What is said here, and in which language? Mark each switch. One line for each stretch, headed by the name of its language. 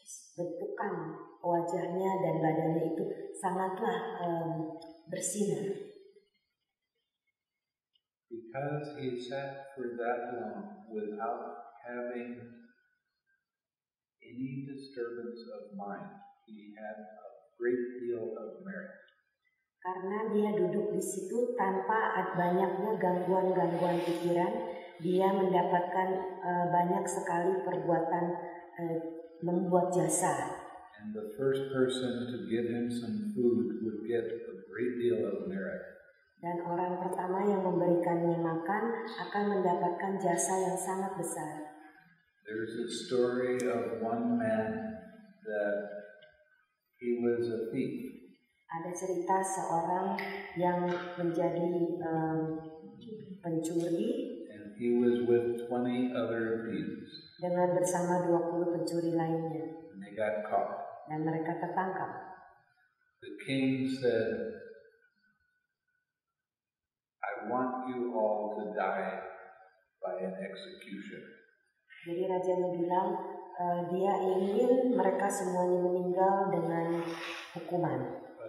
Indonesian: Bentukan wajahnya dan badannya itu sangatlah bersinar.
English: Because he sat for that long without having any disturbance of mind, he had a great deal of merit.
Indonesian: Karena dia duduk di situ tanpa banyaknya gangguan-gangguan pikiran, dia mendapatkan banyak sekali perbuatan membuat jasa.
English: And the first person to give him some food would get a great deal of merit.
Indonesian: Dan orang pertama yang memberikannya makan akan mendapatkan jasa yang sangat besar.
English: There's a story of one man that he was a thief.
Indonesian: Ada cerita seorang yang menjadi pencuri.
English: And he was with 20 other thieves.
Indonesian: Dengan bersama 20 pencuri lainnya.
English: And they got caught.
Indonesian: Dan mereka tertangkap.
English: The king said, I want you all to die by an execution.
Indonesian: Jadi rajanya bilang, dia ingin mereka semuanya meninggal dengan hukuman.